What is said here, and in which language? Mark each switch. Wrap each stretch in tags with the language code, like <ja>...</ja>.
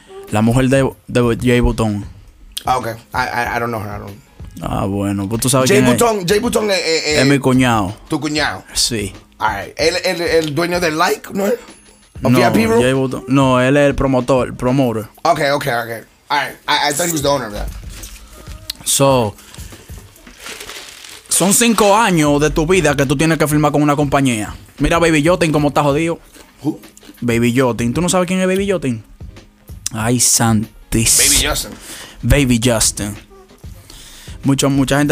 <es>La mujer de Jay Button.</es> <en>Ah, ok. I don't know her. I don't...</en> <es>Ah, bueno, pues tú sabes quién es. Jay Button es mi cuñado. ¿Tu cuñado? Sí. Alright. ¿El dueño del like, no es? No, VIP Jay Button. No, él es el promotor, el promoter.</es> <en>Okay. Alright, I thought he was the owner of that.</en> <es>So, son 5 años de tu vida que tú tienes que firmar con una compañía. Mira Baby Yotin cómo está jodido.</es> <en>Who? Baby Yotin.</en> <es>¿Tú no sabes quién es Baby Yotin? Ay, santísimo. Baby Justin. Baby Justin. Mucha gente</es>